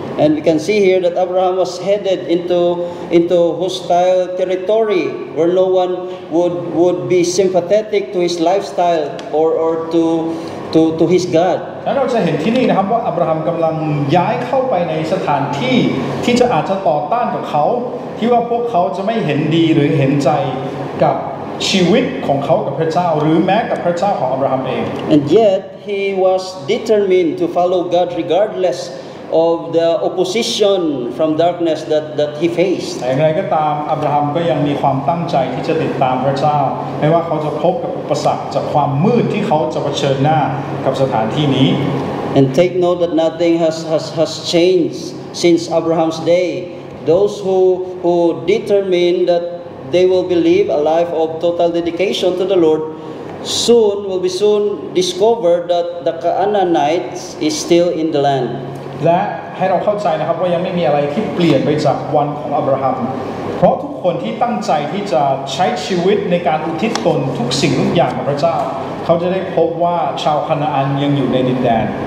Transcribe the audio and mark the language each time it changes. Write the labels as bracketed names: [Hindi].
[English] And we can see here that Abraham was headed into hostile territory where no one would be sympathetic to his lifestyle or to his God [Thai] แล้วเราจะเห็นที่นี่นะครับว่าอับราฮัมกำลังย้ายเข้าไปในสถานที่ที่จะอาจจะต่อต้านกับเขาที่ว่าพวกเขาจะไม่เห็นดีหรือเห็นใจกับชีวิตของเขากับพระเจ้าหรือแม้กับพระเจ้าของอับราฮัมเอง [English] And yet he was determined to follow God regardless of the opposition from darkness that he faced [Thai] แต่อย่างไรก็ตามอับราฮัมก็ยังมีความตั้งใจที่จะติดตามพระเจ้าไม่ว่าเขาจะพบกับอุปสรรคจากความมืดที่เขาจะเผชิญหน้ากับสถานที่นี้ [English] And take note that nothing has changed since Abraham's dayThose who determine that they will believe a life of total dedication to the Lord soon will be soon discovered that the Canaanites is still in the land. [Thai] และให้เราเข้าใจนะครับว่ายังไม่มีอะไรที่เปลี่ยนไปจากวันของอับราฮัมเพราะทุกคนที่ตั้งใจที่จะใช้ชีวิตในการอุทิศตนทุกสิ่งทุกอย่างกับพระเจ้าเขาจะได้พบว่าชาวคานาอันยังอยู่ในดินแดน